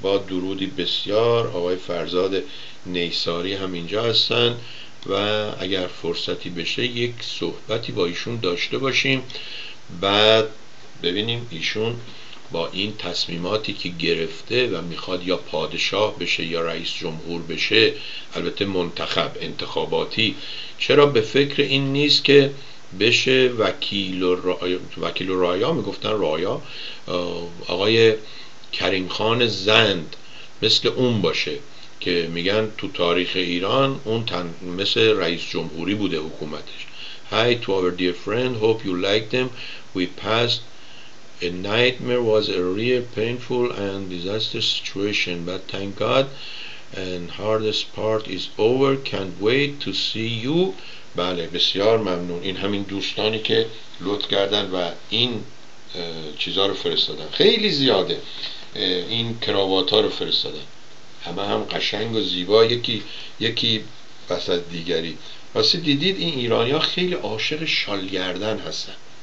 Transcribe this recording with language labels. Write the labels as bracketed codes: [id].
[fa] با درودی بسیار، آقای فرزاد نیساری هم اینجا هستن و اگر فرصتی بشه یک صحبتی با ایشون داشته باشیم، بعد ببینیم ایشون با این تصمیماتی که گرفته و میخواد یا پادشاه بشه یا رئیس جمهور بشه، البته منتخب انتخاباتی، چرا به فکر این نیست که بشه وکیل و رایا، میگفتن رایا، آقای کریم خان زند، مثل اون باشه که میگن تو تاریخ ایران اون مثل رئیس جمهوری بوده حکومتش. [en] Hi to our dear friend, hope you liked them. We passed a nightmare, was a real painful and disastrous situation, but thank God and hardest part is over, can't wait to see you. [fa] بله بسیار ممنون. این همین دوستانی که لطف کردن و این چیزها رو فرستادن، خیلی زیاده، این کراواتا رو فرستادن، همه هم قشنگ و زیبا، یکی پس از دیگری. واسه دیدید این ایرانی ها خیلی عاشق شالگردن هستن.